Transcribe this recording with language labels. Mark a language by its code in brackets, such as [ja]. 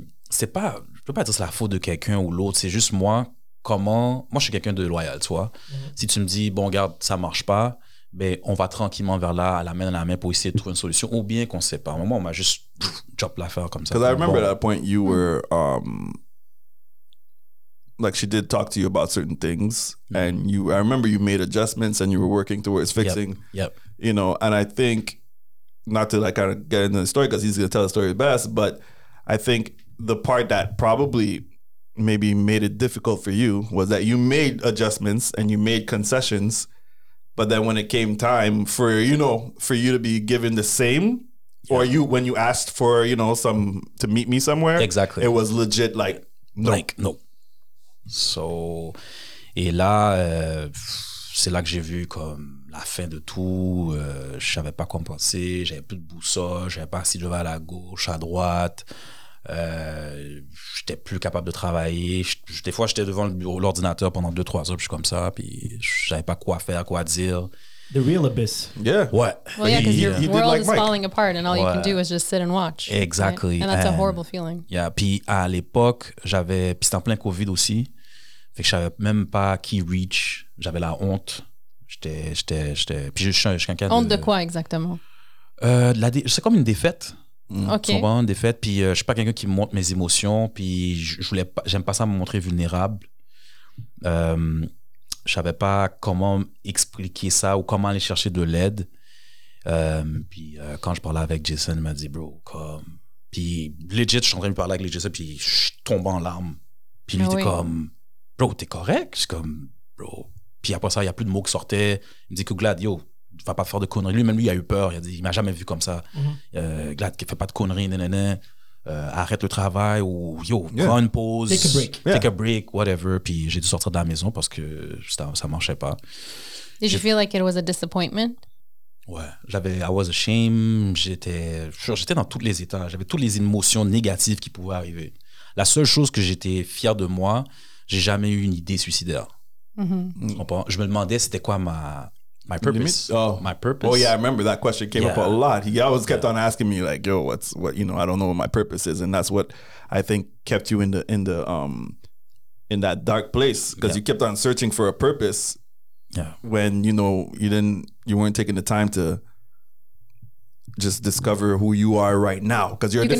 [fr] C'est pas, je peux pas dire que c'est la faute de quelqu'un ou l'autre, c'est juste moi je suis quelqu'un de loyal, tu vois. Si tu me dis, bon, regarde, ça marche pas, ben on va tranquillement vers là, à la main dans la main pour essayer de trouver une solution, ou bien qu'on sait pas. À un moment, on m'a juste drop l'affaire comme ça. [en] Because I remember at that point you were, like she did talk to you about certain things, and I remember you made adjustments and you were working towards fixing, you know, and I think, not to like kind of get into the story, because he's going to tell the story best, but I think the part that probably maybe made it difficult for you was that you made adjustments and you made concessions, but then when it came time for, you know, for you to be given the same, or you, when you asked for, you know, some to meet me somewhere, exactly, it was legit like no. Like, no. [fr] So, et là, c'est là que j'ai vu comme la fin de tout, je savais pas quoi penser, j'avais plus de boussole, j'avais pas si je vais à la gauche, à droite. J'étais plus capable de travailler. Des fois, j'étais devant le bureau, l'ordinateur pendant 2-3 heures, puis je suis comme ça, puis je savais pas quoi faire, quoi dire. [en] The real abyss. Yeah. [fr] Ouais. [en] Well, yeah, because your world like is falling apart, and all you can do is just sit and watch. Exactly. Right? And that's a horrible feeling. [fr] Yeah. Puis à l'époque, j'avais. Puis c'était en plein COVID aussi. Fait que je savais même pas qui reach. J'avais la honte. J'étais. Puis je suis quelqu'un de. Honte de quoi exactement? C'est comme une défaite. Okay. Tu comprends, défaite. Puis je suis pas quelqu'un qui montre mes émotions, puis j'aime pas ça me montrer vulnérable. Je savais pas comment expliquer ça ou comment aller chercher de l'aide. Puis quand je parlais avec Jason, il m'a dit, bro, comme. Puis legit, je suis en train de parler avec Jason, puis je tombe en larmes. Puis lui, t'es comme, bro, t'es correct. Je suis comme, bro. Puis après ça, il y a plus de mots qui sortaient. Il me dit que Glad, yo. Va pas faire de conneries. Lui-même, lui, il a eu peur. Il m'a jamais vu comme ça. Glad, qui fait pas de conneries, nanana. Arrête le travail ou yo, prends une pause. [en] Take a break. Take a break, whatever. [fr] Puis j'ai dû sortir de la maison parce que ça marchait pas. [en] Did you feel like it was a disappointment? [fr] Ouais. [en] I was ashamed. [fr] J'étais dans tous les états. J'avais toutes les émotions négatives qui pouvaient arriver. La seule chose que j'étais fier de moi, j'ai jamais eu une idée suicidaire. Je me demandais c'était quoi my purpose. [en] Oh yeah, I remember that question came up a lot. He always kept on asking me like, yo, what, you know, I don't know what my purpose is. And that's what I think kept you in that dark place, because you kept on searching for a purpose when, you know, you weren't taking the time to just discover who you are right now, because you're